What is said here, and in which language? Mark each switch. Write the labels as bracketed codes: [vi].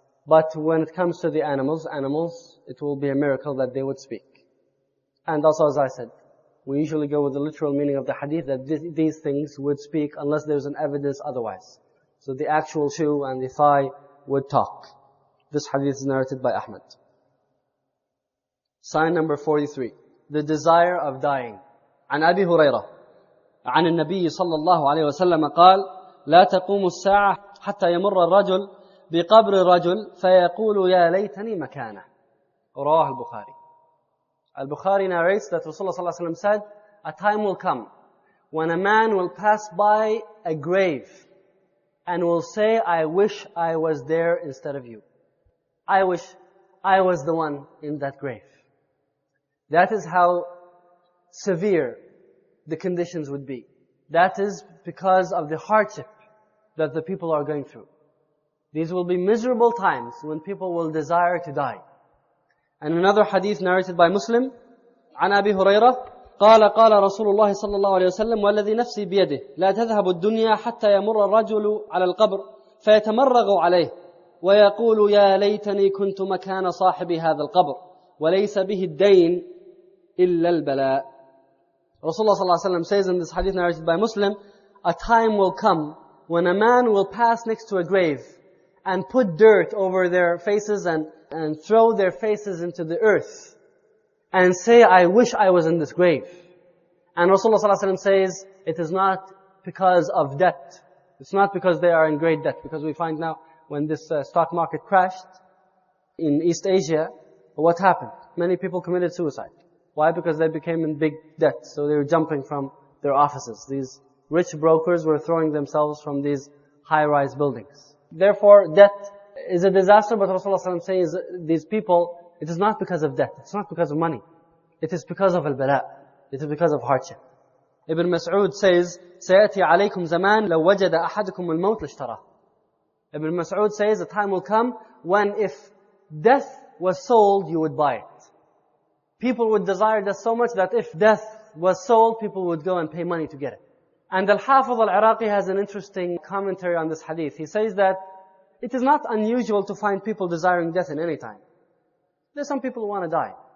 [en] But when it comes to the animals, it will be a miracle that they would speak. And also, as I said, we usually go with the literal meaning of the hadith, that these things would speak unless there's an evidence otherwise. So the actual shoe and the thigh would talk. This hadith is narrated by Ahmad. Sign number 43. The desire of dying. [ar] عن أبي هريرة عن النبي صلى الله عليه وسلم قال لا تقوم الساعة حتى يمر الرجل بقبر الرجل فيقول يا ليتني مكانه. رواه البخاري. [en] البخاري narrates that Rasulullah [ar] صلى الله عليه وسلم [en] said, a time will come when a man will pass by a grave and will say, I wish I was there instead of you. I wish I was the one in that grave. That is how severe the conditions would be. That is because of the hardship that the people are going through. These will be miserable times when people will desire to die. And another hadith narrated by Muslim, [ar] عن أبي هريرة قال قال رسول الله صلى الله عليه وسلم والذي نفسي بيده لا تذهب الدنيا حتى يمر الرجل على القبر فيتمرغ عليه ويقول يا ليتني كنت مكان صاحب هذا القبر وليس به الدين إلا البلاء. [en] Rasulullah [ar] صلى الله عليه وسلم [en] says in this hadith narrated by Muslim, a time will come when a man will pass next to a grave and put dirt over their faces and throw their faces into the earth and say, I wish I was in this grave. And Rasulullah [ar] صلى الله عليه وسلم [en] says, it is not because of debt. It's not because they are in great debt. Because we find now when this stock market crashed in East Asia, what happened? Many people committed suicide. Why? Because they became in big debt. So they were jumping from their offices. These rich brokers were throwing themselves from these high-rise buildings. Therefore, debt is a disaster, but Rasulullah ﷺ says these people, it is not because of debt, it's not because of money. It is because of al-bala, it is because of hardship. Ibn Mas'ud says, [ar] سَيَأْتِي عَلَيْكُمْ زَمَانَ لَوْ وَجَدَ أَحَدُكُمُ الْمَوْتِ لَشْتَرَهُ. [en] Ibn Mas'ud says, a time will come when if death was sold, you would buy it. People would desire death so much that if death was sold, people would go and pay money to get it. And Al-Hafiz Al-Iraqi has an interesting commentary on this hadith. He says that it is not unusual to find people desiring death in any time. There's some people who want to die.